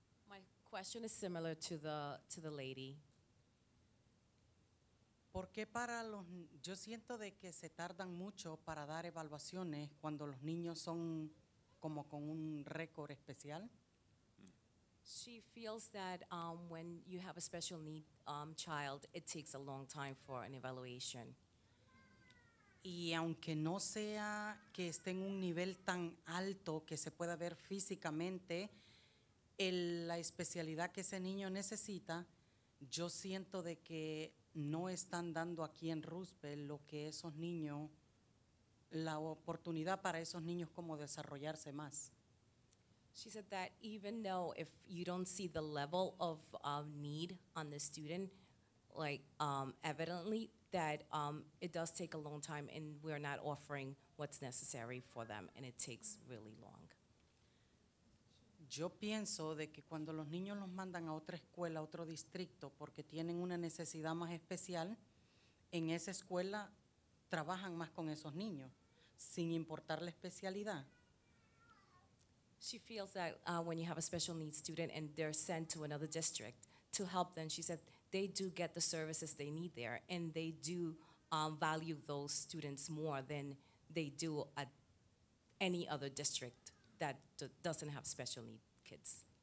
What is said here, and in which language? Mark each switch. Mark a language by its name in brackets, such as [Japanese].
[English] My question is similar to the lady. [Spanish] Porque para los, yo siento de que se tardan mucho para dar evaluaciones cuando los niños son como con un récord especial. [English] She feels that when you have a special need child, it takes a long time for an evaluation. [Spanish] Y aunque no sea que esté en un nivel tan alto que se pueda ver físicamente, la especialidad que ese niño necesita, yo siento de que no están dando aquí en Roosevelt lo que esos niños, la oportunidad para esos niños como desarrollarse más. [English] She said that even though if you don't see the level of need on the student, like evidently, that it does take a long time and we're not offering what's necessary for them and it takes really long. [Spanish] Yo pienso de que cuando los niños los mandan a otra escuela, a otro distrito, porque tienen una necesidad más especial, en esa escuela trabajan más con esos niños, sin importar la especialidad. [English] She feels that when you have a special needs student and they're sent to another district to help them, she said they do get the services they need there and they do value those students more than they do at any other district that doesn't have special need kids.